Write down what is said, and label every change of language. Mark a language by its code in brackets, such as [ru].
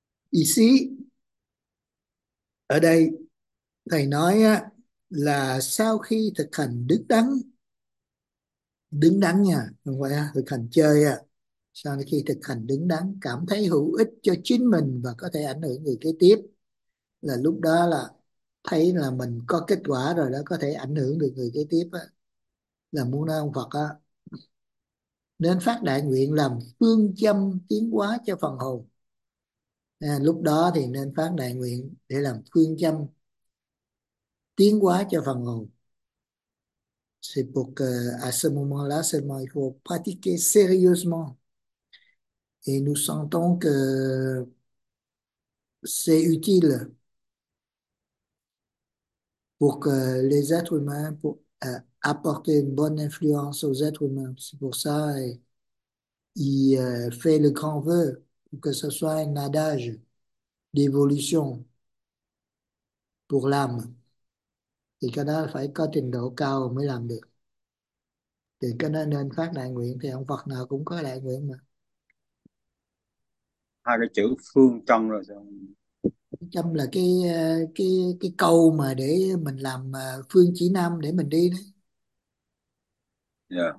[vi] Ý xí ở đây thầy nói á, là sau khi thực hành đứng đắn, đứng đắn nha, không phải à, thực hành chơi à, sau khi thực hành đứng đắn cảm thấy hữu ích cho chính mình và có thể ảnh hưởng người kế tiếp, là lúc đó là thấy là mình có kết quả rồi đó, có thể ảnh hưởng được người kế tiếp á, là muốn nói ông Phật á, nên phát đại nguyện làm phương châm tiến hóa cho phần hồn. À, lúc đó thì nên phát đại nguyện để làm phương châm tiến hóa cho phần hồn. [fr] C'est pour que à ce moment-là seulement il faut pratiquer sérieusement. Et nous sentons que c'est utile pour que les êtres humains pour apporter une bonne influence aux êtres humains. C'est pour ça qu'il fait le grand vœu que ce soit un adage d'évolution pour l'âme. [vi] Thì cái đó phải có trình độ cao mới làm được. Thì cái đó nên phát đại nguyện, thì ông Phật nào cũng có đại nguyện mà. Hai cái chữ phương trong rồi sao? Châm là cái câu mà để mình làm phương chỉ nam để mình đi đó.